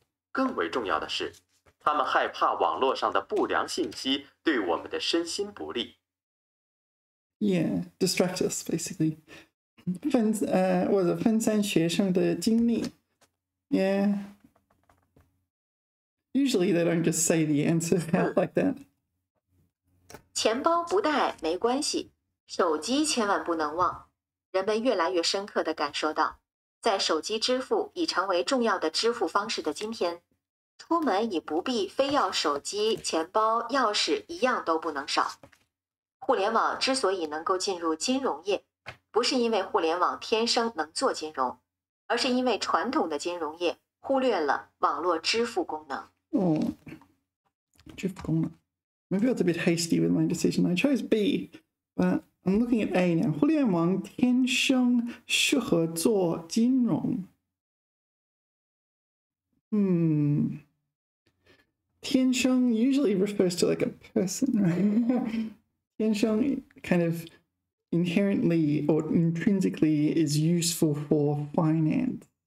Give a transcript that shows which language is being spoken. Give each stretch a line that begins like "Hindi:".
Chinese: 更为重要的是，他们害怕网络上的不良信息对我们的身心不利。
English: Yeah, distract us, basically.
Chinese: 分或者分散学生的精力。
English: Yeah. Usually they don't just say the answer like that.
Chinese: 钱包不带没关系，手机千万不能忘。人们越来越深刻地感受到，在手机支付已成为重要的支付方式的今天，出门已不必非要手机、钱包、钥匙一样都不能少。互联网之所以能够进入金融业，不是因为互联网天生能做金融，而是因为传统的金融业忽略了网络支付功能。哦，支付功能。
English: Maybe I was a bit hasty with my decision. I chose B, but I'm looking at A now.
Chinese: 互联网天生适合做金融。
English: 天生 usually refers to like a person, right? 天生 kind of inherently or intrinsically is useful for finance.